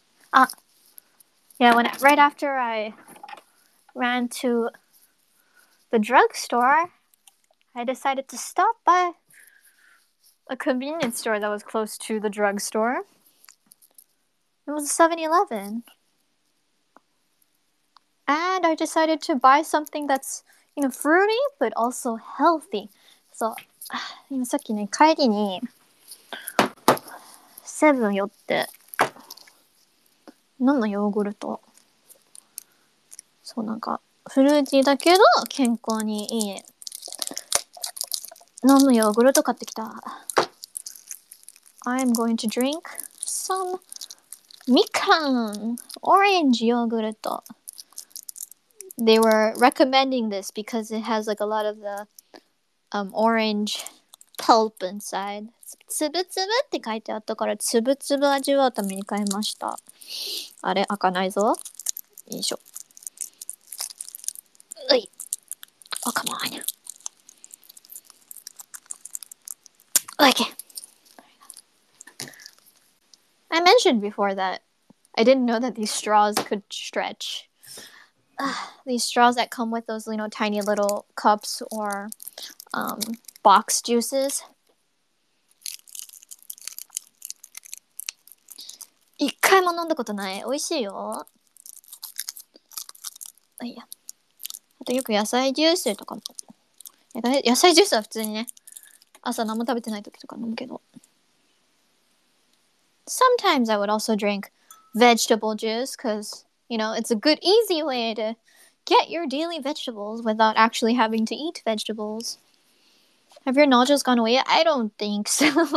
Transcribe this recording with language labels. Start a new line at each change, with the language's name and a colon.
English: あ、yeah, when right after I ran to the drugstore, I decided to stop by a convenience store that was close to the drugstore. It was a 7-Eleven. And I decided to buy something that's, you know, fruity, but also healthy.
Japanese: So,今さっきね、帰りにセブン寄って飲んだヨーグルト、そう、なんかフルーティーだけど健康にいい飲むヨーグルト買ってきた。
English: I'm going to drink some みかんオレンジヨーグルト。 They were recommending this because it has like a lot of theorange pulp inside.
Japanese: つぶつぶって書いてあったから、つぶつぶ味わうために買いました。あれ、開かないぞ。よいしょ。うい。あ、かまわない。おいけ。
English: I mentioned before that I didn't know that these straws could stretch. These straws that come with those, you know, tiny little cups or... box juices.
Japanese: 一回も飲んだことない。美味しいよ。いや。あとよく野菜ジュースとかも。野菜ジュースは普通にね、朝何も食べてない時とか飲むけど。
English: Sometimes I would also drink vegetable juice because, you know, it's a good easy way to get your daily vegetables without actually having to eat vegetables. Have your nausea gone away? I don't think so.